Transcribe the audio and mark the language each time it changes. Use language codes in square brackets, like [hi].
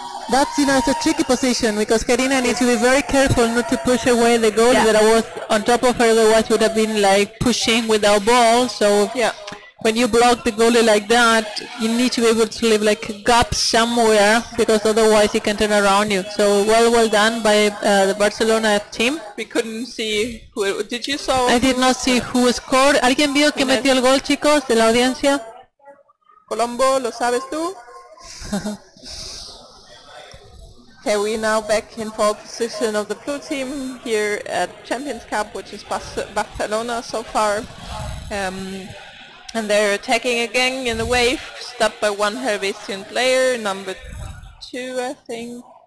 [en] That's, you know, it's a tricky position, because Karina needs to be very careful not to push away the goal that was on top of her, otherwise would have been like pushing without ball. So when you block the goalie like that, you need to be able to leave like a gap somewhere, because otherwise he can turn around you. So well done by the Barcelona team. We couldn't see who it, did you saw? I did not see who scored. [es] ¿Alguien vio que metió el gol, chicos, de la audiencia? Colombo, ¿lo sabes tú? [en] Okay, we're now back in pole position of the blue team here at Champions Cup, which is Barcelona so far. And they're attacking again in the wave, stopped by one Helvetian player, number two, I think.